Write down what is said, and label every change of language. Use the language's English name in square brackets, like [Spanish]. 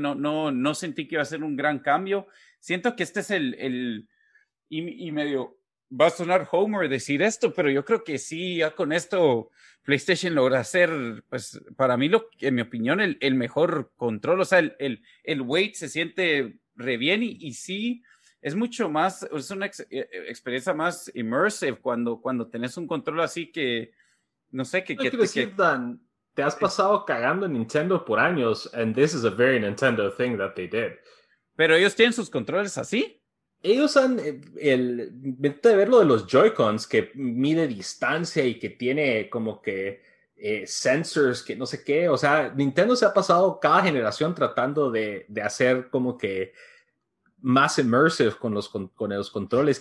[Spanish] No sentí que iba a ser un gran cambio. Siento que este es el y medio va a sonar homer decir esto, pero yo creo que sí, ya con esto PlayStation logra hacer, pues para mí, lo en mi opinión, el mejor control. O sea, el weight se siente re bien y sí es mucho más, es una experiencia más immersive cuando tenés un control así, que no sé qué quiere decir, Dan. Te has pasado cagando Nintendo por años, [English] and this is a very Nintendo thing that they did. [Spanish] ¿Pero ellos tienen sus controles así? Ellos han, vente a ver lo de los Joy-Cons, que mide distancia y que tiene como que sensors, que no sé qué. O sea, Nintendo se ha pasado cada generación tratando de hacer como que más immersive con los controles.